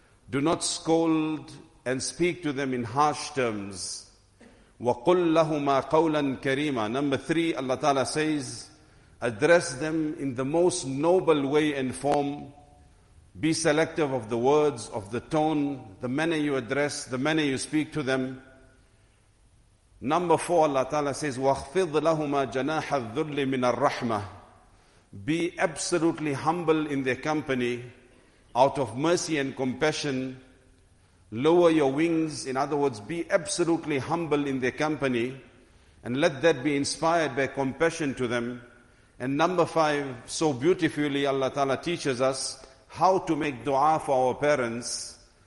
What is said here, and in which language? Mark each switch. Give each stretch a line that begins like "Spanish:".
English: Do not scold and speak to them in harsh terms.
Arabic: وَقُلْ لَهُمَا قَوْلًا كَرِيمًا.
English: Number three, Allah Ta'ala says, address them in the most noble way and form. Be selective of the words, of the tone, the manner you address, the manner you speak to them. Number four, Allah Ta'ala says,
Arabic: وَخْفِضْ لَهُمَا جَنَاحَ الذُّلِّ مِنَ الرَّحْمَةِ.
English: Be absolutely humble in their company, out of mercy and compassion. Lower your wings, in other words, be absolutely humble in their company, and let that be inspired by compassion to them. And number five, so beautifully Allah Ta'ala teaches us how to make dua for our parents.